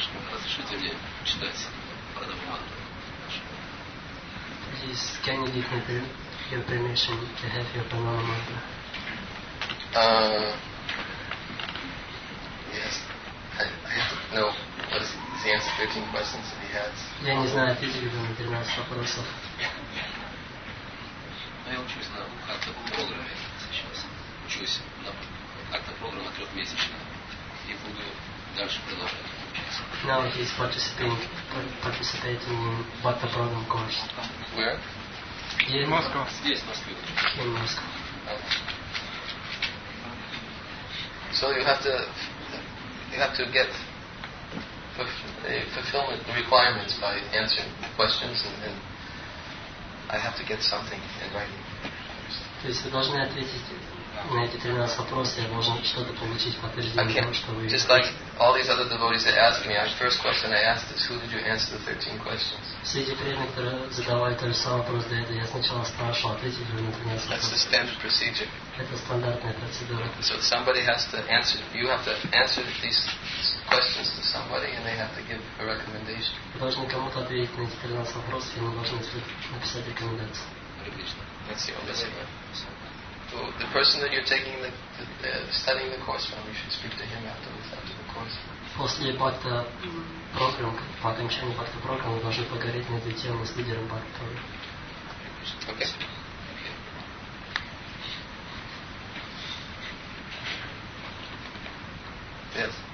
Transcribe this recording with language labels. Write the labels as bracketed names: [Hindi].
[Russian] Разрешите мне читать Панаманту. [English] Please, can you give me your permission to have your Панаманту? Yes. I what is the answer 13 questions that he has? [Russian] Я не знаю, ответили бы на 13 вопросов. Но я учусь на как-то программе сейчас. Учусь на акта программа трехмесячная и буду дальше продолжать. [English] Now he is participating in BATA program course. Where? Here in Moscow. [Russian] Здесь, в Москве. [English] Here in Moscow. So you have to get fulfillment requirements by answering questions and I have to get something in writing. [Russian] То есть вы должны ответить на эти 13 вопросов, я должен что-то получить в подтверждение того, что вы... [English] Just like all these other devotees that ask me, the first question I asked is, who did you answer the 13 questions? [Russian] Все эти преданные, которые задавали тот же самый вопрос для этого, я сначала спрашивал, ответили ли вы на 13 вопросов. [English] That's the standard procedure. [Russian] Это стандартная процедура. [English] So somebody has to answer, you have to answer these questions to somebody and they have to give a recommendation. [Russian] Вы должны кому-то ответить на эти 13 вопросов, и вы должны написать рекомендацию. [English] That's the only thing. So the person that you're taking the studying the course from, you should speak to him after the course. [Russian] После бакта программ, по окончании бакта программ, вы должны поговорить на эту тему с лидером бакта. [English] Okay. Yes.